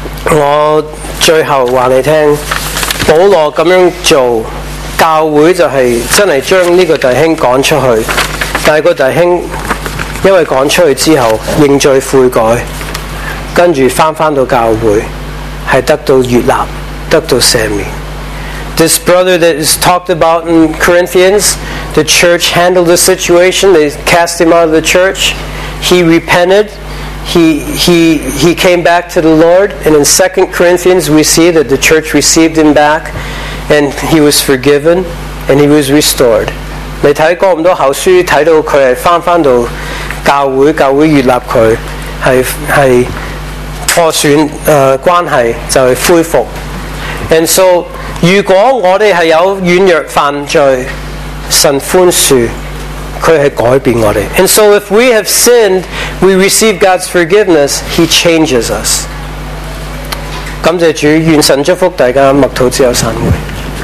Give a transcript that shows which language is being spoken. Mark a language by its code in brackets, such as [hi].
[yue] 我最后话你听，保罗咁样做。教会就是真的将这个弟兄赶出去，但是个弟兄因为赶出去之后认罪悔改，跟着回到教会是得到悦纳，得到赦免。 [en] This brother that is talked about in Corinthians, the church handled the situation, they cast him out of the church, he repented, he came back to the Lord, and in 2 Corinthians we see that the church received him backAnd he was forgiven, and he was restored. [yue] 你睇过咁多后书，睇到佢系翻到教会，教会悦纳佢，系破损关系就系恢复。 And so, 如果我哋系有软弱犯罪，神宽恕，佢系改变我哋。 [en] And so, if we have sinned, we receive God's forgiveness. He changes us. [yue] 感谢主，愿神祝福大家，默祷之后散会。